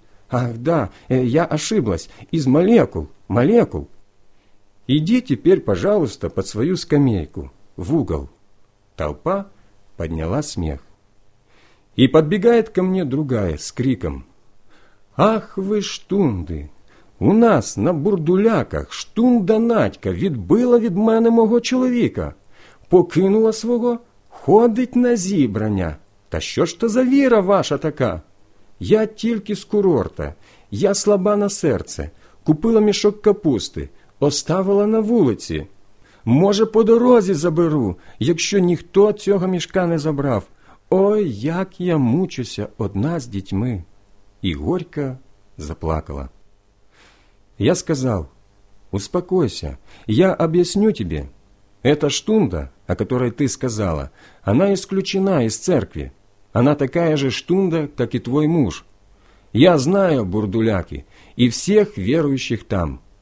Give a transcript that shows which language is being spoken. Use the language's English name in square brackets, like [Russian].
[Russian] Ах, да, я ошиблась. Из молекул. Молекул. Иди теперь, пожалуйста, под свою скамейку, в угол. Толпа подняла смех. И подбегает ко мне другая с криком. Ах вы, штунди! [Ukrainian] У нас на бурдуляках штунда Надька відбила від мене мого чоловіка. Покинула свого, ходить на зібрання. Та що ж то за віра ваша така? Я тільки з курорта, я слаба на серце, купила мішок капусти, оставила на вулиці. Може, по дорозі заберу, якщо ніхто цього мішка не забрав. Ой, як я мучуся одна з дітьми. І горько заплакала. [Russian] Я сказал, успокойся, я объясню тебе. Эта штунда, о которой ты сказала, она исключена из церкви. Она такая же штунда, как и твой муж. Я знаю бурдуляки и всех верующих там.